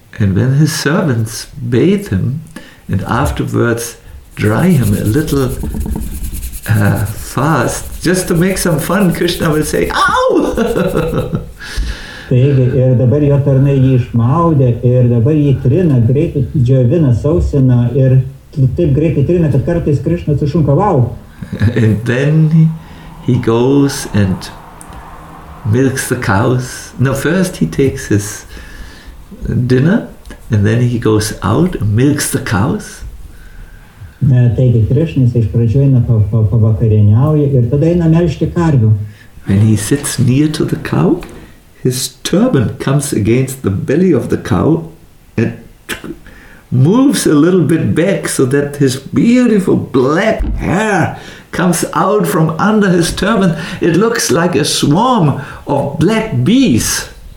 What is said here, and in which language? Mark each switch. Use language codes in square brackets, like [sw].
[en] And when his servants bathe him, and afterwards dry him a little fast, just to make some fun, Krishna will say, ow! [lt] Taigi, ir dabar jo tarnai jį išmaudė, ir dabar jį trina, greitai džiovina, sausina, ir taip greitai trina, kad kartais Krishna sušunka, wow! [en] And then he goes and milks the cows. No, first he takes his dinner, and then he goes out and milks the cows. [lt] Taigi, Krishna iš pradžių eina pavakarieniauja ir tada eina melžti karvių. [en] When he sits near to the cow, his turban comes against the belly of the cow and moves a little bit back so that his beautiful black hair comes out from under his turban. It looks like a swarm of black bees.